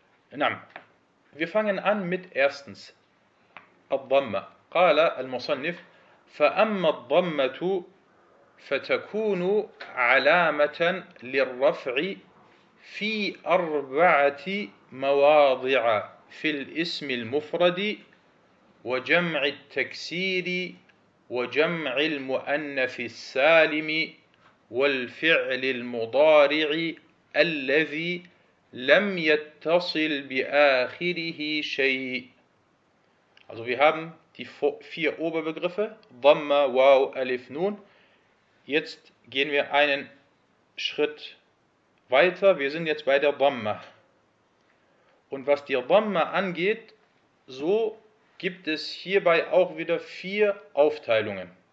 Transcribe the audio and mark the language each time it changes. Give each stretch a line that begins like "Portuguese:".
German: Na, wir fangen an mit erstens. Ad-Dhamma.
Arabic: Qala al-Musannif, fa'amma ad-Dhammatu فتكون علامة للرفع في أربعة مواضع: في الاسم المفرد وجمع التكسير وجمع المؤنث السالم والفعل المضارع الذي لم يتصل بآخره شيء.
German: Also wir haben die vier Oberbegriffe:
Arabic: ضم واو ألف نون.
German: Jetzt gehen wir einen Schritt weiter. Wir sind jetzt bei der Dhamma. Und was die Dhamma angeht, so gibt es hierbei auch wieder vier Aufteilungen.